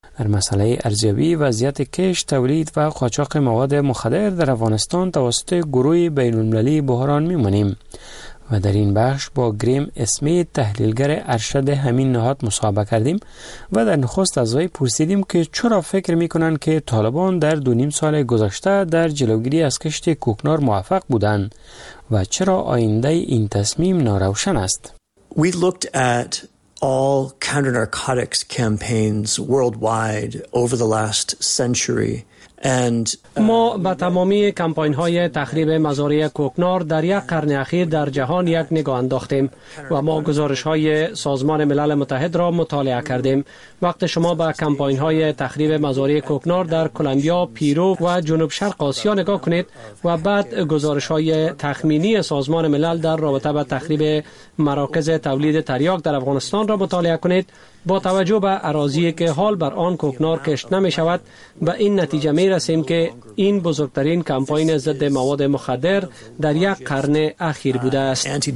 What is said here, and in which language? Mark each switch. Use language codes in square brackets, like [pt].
[fa] در مسئله ارزیابی وضعیت کشت، تولید و قاچاق مواد مخدر در افغانستان توسط گروه بین‌المللی بحران می‌مانیم و در این بخش با گریم اسمیت، تحلیلگر ارشد همین نهاد، مصاحبه کردیم و در نخست از وی پرسیدیم که چرا فکر می‌کنند که طالبان در 2.5 سال گذشته در جلوگیری از کشت کوکنار موفق بودند و چرا آینده این تصمیم ناروشن است. [en] We looked at all counter-narcotics campaigns worldwide over the last century. [fa] ما به تمامی کمپاین های تخریب مزارع کوکنار در یک قرن اخیر در جهان یک نگاه انداختیم و ما گزارش های سازمان ملل متحد را مطالعه کردیم. وقتی شما به کمپاین های تخریب مزارع کوکنار در کولومبیا، پیرو و جنوب شرق آسیا نگاه کنید و بعد گزارش های تخمینی سازمان ملل در رابطه با تخریب مراکز تولید تریاک در افغانستان را مطالعه کنید، با توجه به اراضی که حال بر آن کوکنار کشت نمی شود و این نتیجه می رسیم که این بزرگترین کمپاین ضد مواد مخدر در یک قرن اخیر بوده است.